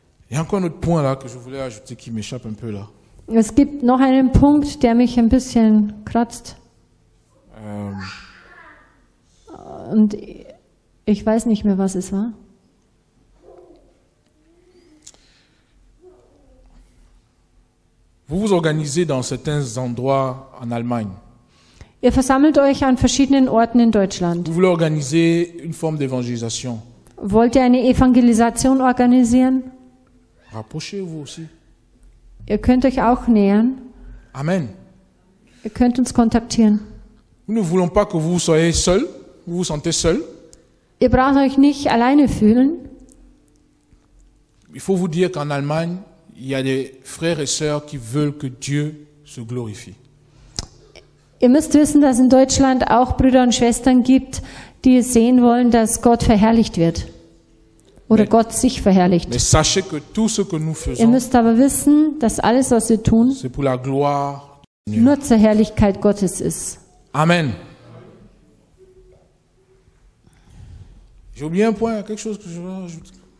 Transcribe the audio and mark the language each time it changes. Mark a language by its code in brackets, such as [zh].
[fr] Il y a encore un autre point là que je voulais ajouter qui m'échappe un peu là. [de] Es gibt noch einen Punkt, der mich ein bisschen kratzt. Und ich weiß nicht mehr, was es war. [fr] Vous vous organisez dans certains endroits en Allemagne. [de] Ihr versammelt euch an verschiedenen Orten in Deutschland. [fr] Vous voulez organiser une forme d'évangélisation. [de] Wollt ihr eine Evangelisation organisieren? [fr] Rapprochez-vous aussi. [de] Ihr könnt euch auch nähern. Amen. Ihr könnt uns kontaktieren. [fr] Nous ne voulons pas que vous soyez seul. Vous vous sentez seul. [de] Ihr braucht euch nicht alleine fühlen. [fr] Il faut vous dire qu'en Allemagne, il y a des frères et sœurs qui veulent que Dieu se glorifie. [de] Ihr müsst wissen, dass in Deutschland auch Brüder und Schwestern gibt, die sehen wollen, dass Gott verherrlicht wird. Oder [fr] mais, [de] Gott sich verherrlicht. [fr] Mais sachez que tout ce que nous faisons, [de] ihr müsst aber wissen, dass alles, was wir tun, [fr] c'est pour la gloire [de] nur zur Herrlichkeit Gottes ist. [fr] Amen. J'ai oublié un point, quelque chose que je voulais ajouter.